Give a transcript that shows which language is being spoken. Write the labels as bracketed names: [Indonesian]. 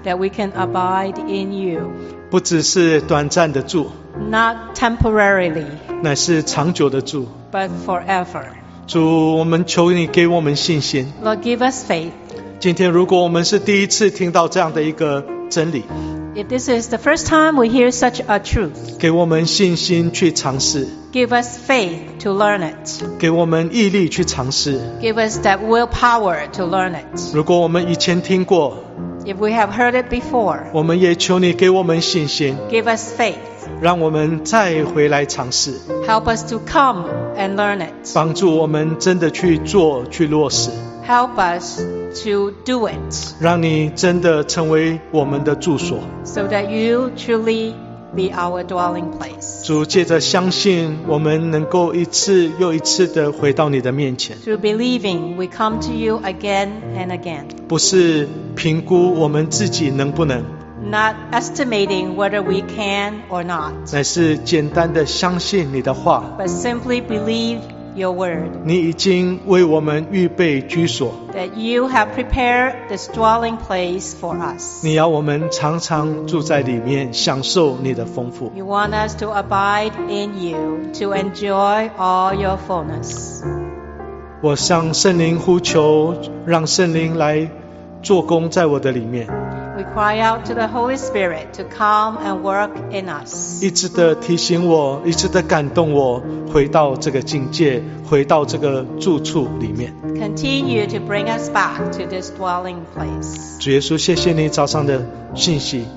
[English] That we can abide in you. [Chinese] 不只是短暂的住。 [English] Not temporarily. [Chinese] 乃是长久的住。 [English] But forever. [Chinese] 主，我们求你给我们信心。 [English] Lord, give us faith. [Chinese] 今天如果我们是第一次听到这样的一个真理。 [English] If this is the first time we hear such a truth. [Chinese] 给我们信心去尝试。 [English] Give us faith to learn it. [Chinese] 给我们毅力去尝试。 [English] Give us that willpower to learn it. [Chinese] 如果我们以前听过。 [English] If we have heard it before. [Chinese] 我们也求你给我们信心。 [English] Give us faith. [Chinese] 让我们再回来尝试。 [English] Help us to come and learn it. [Chinese] 帮助我们真的去做，去落实。 [English] Help us to do it. [Chinese] 让你真的成为我们的住所。 [English] So that you truly be our dwelling place. [Chinese] 主，借着相信，我们能够一次又一次地回到你的面前。 [English] Through believing, we come to you again and again. [Chinese] 不是评估我们自己能不能。 [English] Not estimating whether we can or not. [Chinese] 乃是简单地相信你的话。 [English] But simply believe. Your word, [Chinese] 你已经为我们预备居所。 [English] That you have prepared this dwelling place for us. [Chinese] 你要我们常常住在里面，享受你的丰富。 [English] You want us to abide in you, to enjoy all your fullness. [Chinese] 我向圣灵呼求，让圣灵来做工在我的里面。 [English] We cry out to the Holy Spirit to come and work in us. [Chinese] 一直的提醒我，一直的感动我，回到这个境界，回到这个住处里面。 [English] Continue to bring us back to this dwelling place. [Chinese] 主耶稣，谢谢你早上的信息。